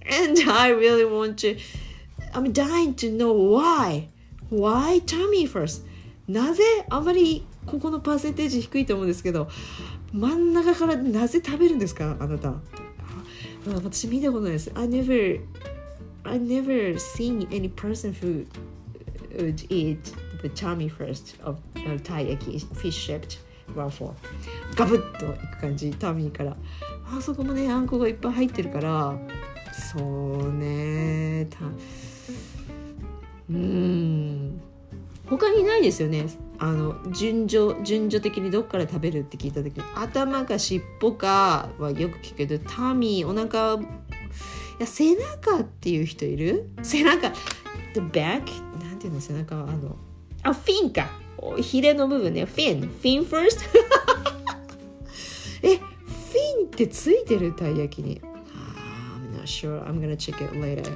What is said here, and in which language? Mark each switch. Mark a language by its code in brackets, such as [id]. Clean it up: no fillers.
[en] And I really want toI'm dying to know why. Why tummy first? [ja] なぜ、あまりここのパーセンテージ低いと思うんですけど、真ん中からなぜ食べるんですか、あなた。私見たことないです。 [en] I never seen any person who would eat the tummy first of Thai yaki fish shaped waffle. [ja] ガブッといく感じ、タミーから。あそこもね、あんこがいっぱい入ってるから、そうね、うん、他にないですよね。あの順序的にどっから食べるって聞いた時に、頭か尻尾かはよく聞くけど、タミー、お腹、いや背中っていう人いる？背中、 [en] the back、 [ja] なんていうの、背中は、あのあフィンか、ヒレの部分ね、フィン first。え、フィンってついてる、たい焼きに。 [en] I'm not sure, I'm gonna check it later.